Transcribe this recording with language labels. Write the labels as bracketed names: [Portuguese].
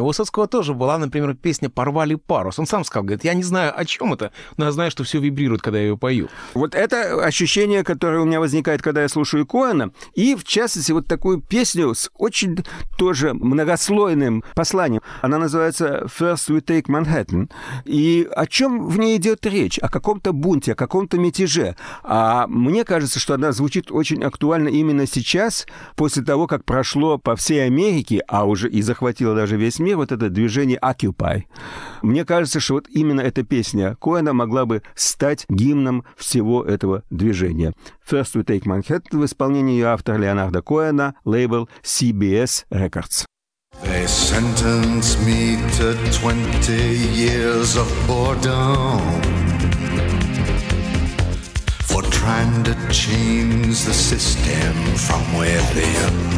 [Russian] У Высоцкого тоже была, например, песня «Порвали парус». Он сам сказал, говорит, я не знаю, о чем это, но я знаю, что все вибрирует, когда я ее пою. Вот это ощущение, которое у меня возникает, когда я слушаю Коэна, и, в частности, вот такую песню с очень тоже многослойным посланием. Она называется «First We Take Manhattan». И о чем в ней идет речь? О каком-то бунте, о каком-то мятеже. А мне кажется, что она звучит очень актуально именно сейчас, после того, как прошло по всей Америке, а уже и захватило даже весь мир, вот это движение Occupy. Мне кажется, что вот именно эта песня Коэна могла бы стать гимном всего этого движения. First We Take Manhattan в исполнении ее автора Леонарда Коэна, лейбл CBS Records. [English] They sentenced me to 20 years of boredom trying to change the system from within.